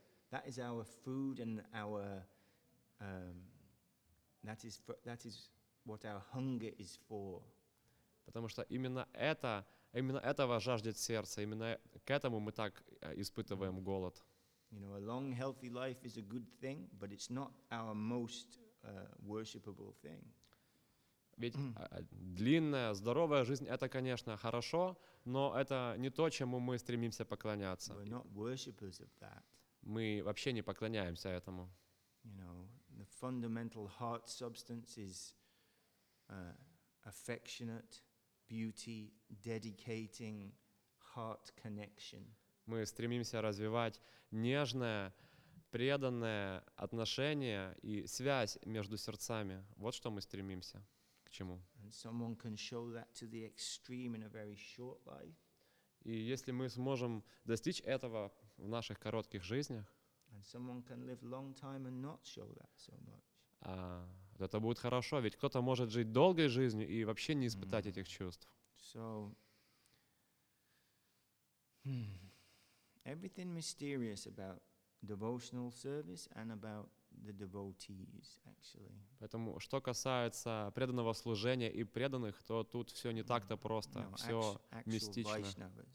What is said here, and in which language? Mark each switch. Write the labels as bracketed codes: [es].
[en] That is our food and our that is what our hunger is for. [ru] Потому что именно этого жаждет сердце, именно к этому мы так испытываем голод. [en] You know, a long, healthy life is a good thing, but it's not our most worshipable thing. [ru] Ведь длинная, здоровая жизнь — это, конечно, хорошо, но это не то, чему мы стремимся поклоняться. [en] We're not worshippers of that. [ru] Мы вообще не поклоняемся этому. [en] You know, the fundamental heart substance is affectionate, beauty, dedicating heart connection. [ru] Мы стремимся развивать нежное, преданное отношение и связь между сердцами. Вот что мы стремимся, к чему. [en] And someone can show that to the extreme in a very short life. [ru] И если мы сможем достичь этого в наших коротких жизнях, [en] and someone can live long time and not show that so much. [ru] Это будет хорошо, ведь кто-то может жить долгой жизнью и вообще не испытать этих чувств. [en] So, everything mysterious about devotional service and about the devotees, actually. [ru] Поэтому, что касается преданного служения и преданных, то тут все не так-то просто, все мистично.